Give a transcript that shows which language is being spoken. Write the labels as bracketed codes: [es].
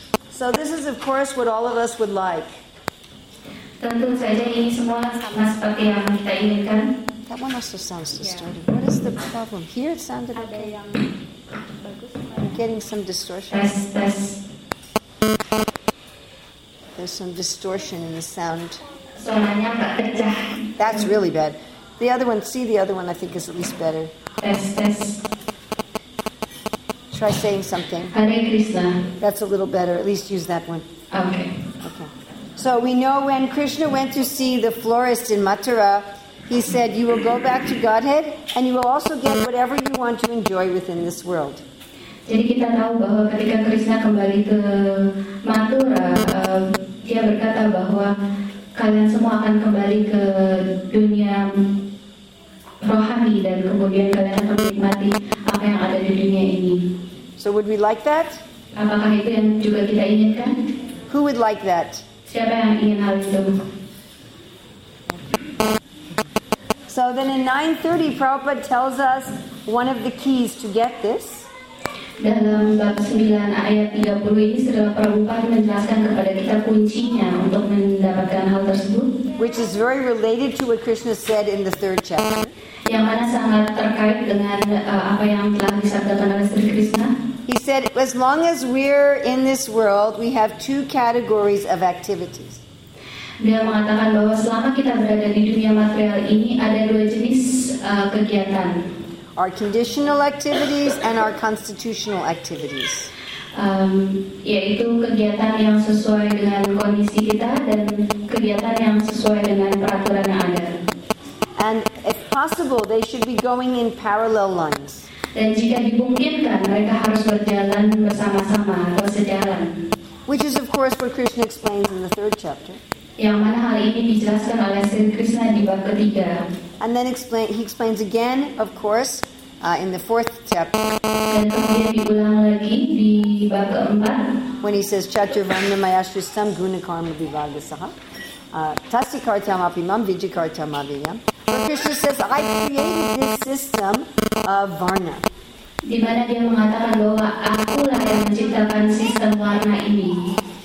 [en] So this is, of course, what all of us would like. [id] Tentu saja ini semua sama seperti yang kita inginkan. [en] That one also sounds distorted. What is the problem? Here it sounded okay. I'm getting some distortion. Yes. There's some distortion in the sound. [id] Suaranya enggak pecah. [en] That's really bad. The other one, see the other one, I think is at least better. Yes. Try saying something. Hare Krishna. That's a little better. At least use that one. Okay. So we know when Krishna went to see the florist in Mathura, he said, you will go back to Godhead, and you will also get whatever you want to enjoy within this world. [id] Jadi kita tahu bahwa ketika Krishna kembali ke Mathura, dia berkata bahwa kalian semua akan kembali ke dunia rohani dan kemudian kalian akan menikmati apa yang ada di dunia ini. [en] So would we like that? [id] Apakah itu yang juga kita inginkan? [en] Who would like that? [id] Siapa yang ingin hal itu? [en] So then in 9:30, Prabhupada tells us one of the keys to get this. [id] Dalam bab 9 ayat 30 ini Srila Prabhupada menjelaskan kepada kita kuncinya untuk mendapatkan hal tersebut, [en] which is very related to what Krishna said in the third chapter. [id] Yang mana sangat terkait dengan apa yang telah disabdakan oleh Sri Krishna. [en] He said, as long as we're in this world, we have two categories of activities. [id] Dia mengatakan bahwa selama kita berada di dunia material ini, ada dua jenis kegiatan. [en] Our conditional activities and our constitutional activities. [id] Yaitu kegiatan yang sesuai dengan kondisi kita dan kegiatan yang sesuai dengan peraturan yang ada. [en] And if possible, they should be going in parallel lines. [id] Dan jika dimungkinkan, mereka harus berjalan bersama-sama atau sejalan. [en] Which is of course what Krishna explains in the third chapter. [id] Yang mana hal ini dijelaskan oleh Sri Krishna di bab ketiga. [en] And then he explains again, of course, in the fourth chapter. [id] Dan kemudian diulang lagi di bab keempat. [sa] When he says, Chaturvarna mayashristam gunakarma vivagasaha. Tasikartam apimam vijikartam aviyam. [en] Where Krishna says, I created this system of varna. [id] Di mana dia mengatakan bahwa akulah yang menciptakan sistem warna ini.